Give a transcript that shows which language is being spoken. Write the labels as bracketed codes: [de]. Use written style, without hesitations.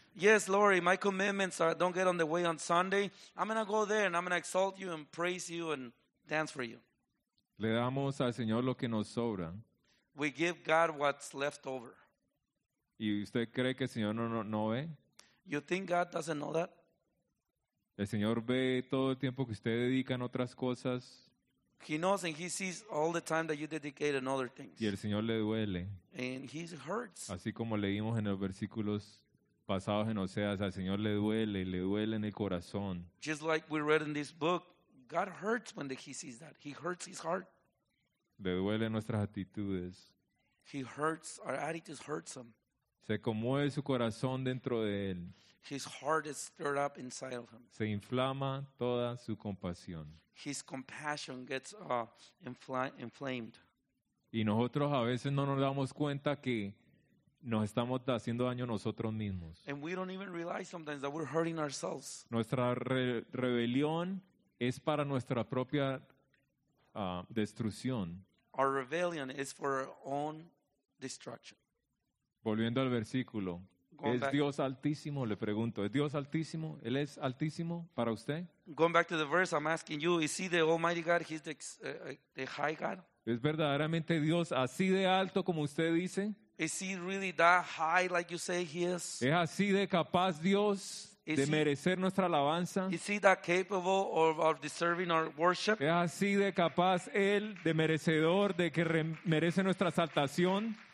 [en] Yes, Lord, my commitments are don't get on the way on Sunday. I'm going to go there and I'm going to exalt you and praise you and dance for you. [es] Le damos al Señor lo que nos sobra. [en] We give God what's left over. [es] ¿Y usted cree que el Señor no ve? [en] You think God doesn't know that? [es] El Señor ve todo el tiempo que usted dedica en otras cosas. [en] He knows and he sees all the time that you dedicate in other things. [es] Y el Señor le duele. [en] And he hurts. [es] Así como leímos en los versículos pasados en Oseas, al Señor le duele en el corazón. [en] Just like we read in this book, God hurts when he sees that. He hurts his heart. [es] Le duelen nuestras actitudes. [en] He hurts, our attitudes hurts him. [es] Se conmueve su corazón dentro de él. [en] His heart is stirred up inside of him. [es] Se inflama toda su compasión. [en] His compassion gets inflamed. [es] Y nosotros a veces no nos damos cuenta que nos estamos haciendo daño nosotros mismos. [en] And we don't even realize sometimes that we're hurting ourselves. [es] Nuestra rebelión es para nuestra propia destrucción. [en] Our rebellion is for our own destruction. [es] Volviendo al versículo, ¿es Dios altísimo? Le pregunto, ¿es Dios altísimo? ¿Él es altísimo para usted? [en] Going back to the verse, I'm asking you, is he the Almighty God? He's the high God? [es] ¿Es verdaderamente Dios así de alto como usted dice? [en] Is he really that high like you say he is? [es] ¿Es así de capaz Dios de merecer nuestra alabanza? [en] Is he that capable of deserving our worship? [es] ¿Es así de capaz Él, de merecedor, de que merece nuestra exaltación?